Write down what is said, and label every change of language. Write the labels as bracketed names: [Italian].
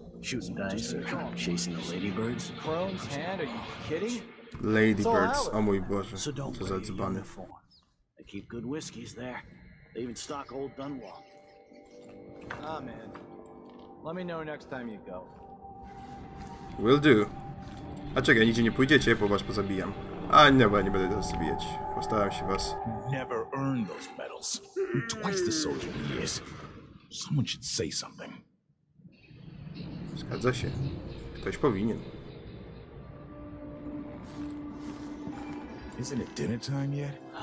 [English] Shooting dice or chasing the ladybirds? Crone's hand, are you kidding? Ladybirds, oh my Boże, so don't [Polish] to za dzbany. [English] They keep good whiskeys there. They even stock old Dunwall. Ah, man. Let me know next time you go. Will do. [Polish] A czekaj, nigdzie nie pójdziecie, bo was pozabijam. A nie, bo ja nie będę teraz zabijać. Postaram się was. [English] Never earn those medals. You're twice the soldier he is. Someone should say something. [Polish] Zgadza się. Ktoś powinien. [English] Isn't it dinner time yet?